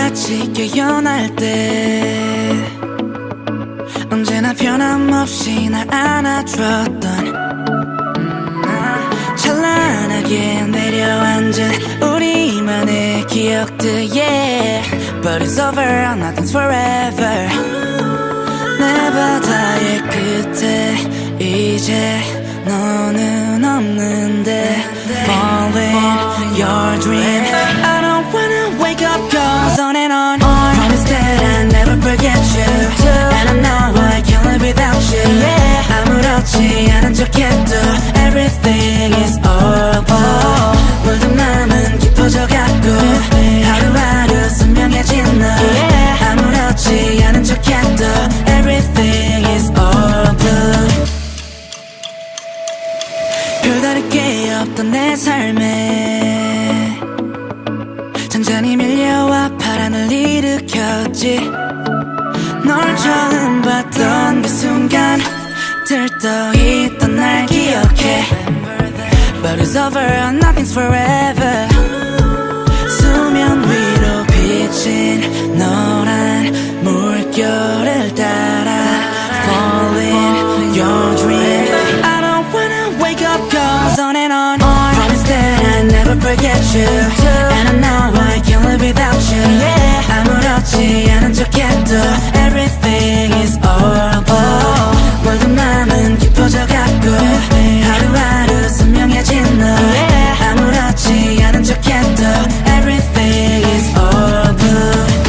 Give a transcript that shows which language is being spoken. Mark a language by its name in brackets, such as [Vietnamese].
[Korean] 다시 깨어날 때 언제나 변함없이 날 안아줬던 찬란하게 내려앉은 우리만의 기억들 yeah. [English] But it's over, nothing's forever. [Korean] 내 바다의 끝에 이제 너는 없는데 [English] Falling, your dream. I don't wanna wake up, goes on and on. Promise that I'll never forget you. And I know I can't live without you. [Korean] 아무렇지 않은 척해도 [English] Everything is over. [Korean] 물도 남은 깊어져갖고 하루하루 선명해진 너. 아무렇지 않은 척해도 [English] Everything is over. [Korean] 별다를 게 없던 내 삶에 잔잔히 밀려와 파란을 일으켰지. 널 처음 봤던 그 순간 들떠있던 날 기억해. [English] But it's over, nothing's forever. [Korean] 수면 위로 비친 노란 물결을 따라 [English] Falling, your dream. I don't wanna wake up, goes on and on. I promise that I'll never forget you. And I know I can't live without you. [Korean] 아무렇지 않은 척해도 [English] Everything is over. [Korean] 모두 마음은 깊어져갖고 하루하루 선명해진 너. 아무렇지 않은 척해도 [English] Everything is over.